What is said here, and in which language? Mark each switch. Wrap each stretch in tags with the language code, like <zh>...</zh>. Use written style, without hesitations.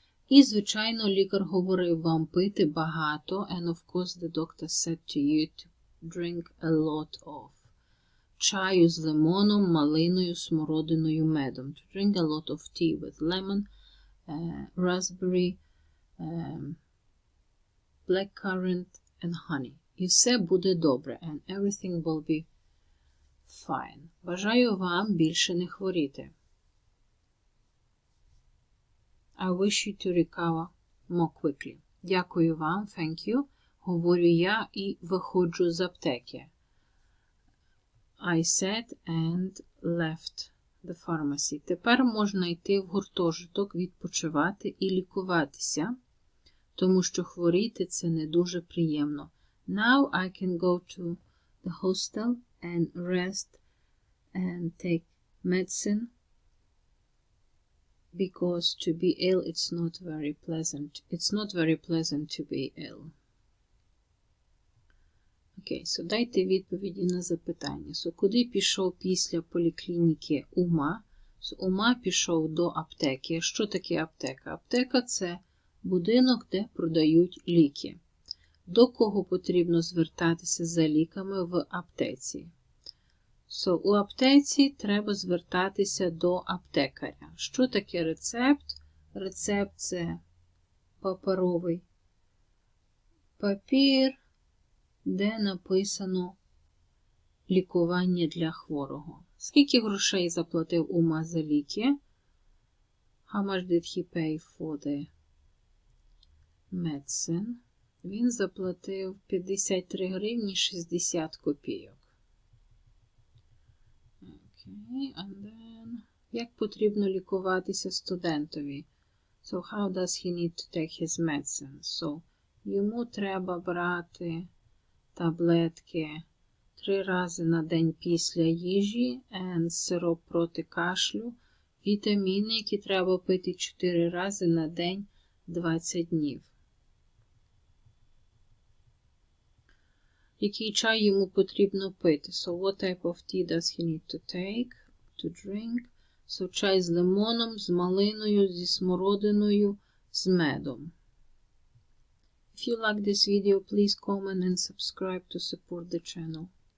<uk>І, звичайно, лікар говорив вам пити багато,</uk> <en>and of course the doctor said to you to drink a lot of</en> <uk>чаю з лимоном, малиною, смородиною, медом.</uk> <en>To drink a lot of tea with lemon, raspberry, blackcurrant and honey.</en> <uk>І все буде добре.</uk> <en>And everything will be fine.</en> <uk>Бажаю вам більше не хворіти.</uk> <en>I wish you to recover more quickly.</en> <uk>Дякую вам.</uk> <en>Thank you.</en> <uk>Говорю я і виходжу з аптеки.</uk> <en>I said and left the pharmacy.</en> <uk>Тепер можна йти в гуртожиток, відпочивати і лікуватися, тому що хворіти – це не дуже приємно.</uk> <en>Now I can go to the hostel and rest and take medicine because to be ill, it's not very pleasant. It's not very pleasant to be ill.</en> <uk>Окей, so дайте відповіді на запитання. So, куди пішов після поліклініки Ума? So, Ума пішов до аптеки. Що таке аптека? Аптека – це будинок, де продають ліки. До кого потрібно звертатися за ліками в аптеці? So, у аптеці треба звертатися до аптекаря. Що таке рецепт? Рецепт – це паперовий папір, де написано лікування для хворого. Скільки грошей заплатив Ума за ліки?</uk> <en>How much did he pay for the medicine?</en> <uk>Він заплатив 53 гривні 60 копійок.</uk> <en>Okay, and then</en> <uk>як потрібно лікуватися студентові?</uk> <en>So how does he need to take his medicine?</en> <uk>So йому треба брати таблетки три рази на день після їжі, and сироп проти кашлю, вітаміни, які треба пити 4 рази на день 20 днів. Який чай йому потрібно пити?</uk> <en>So what type of tea does he need to take to drink?</en> <uk>So чай з лимоном, з малиною, зі смородиною, з медом.</uk> <en>If you like this video, please comment and subscribe to support the channel.</en>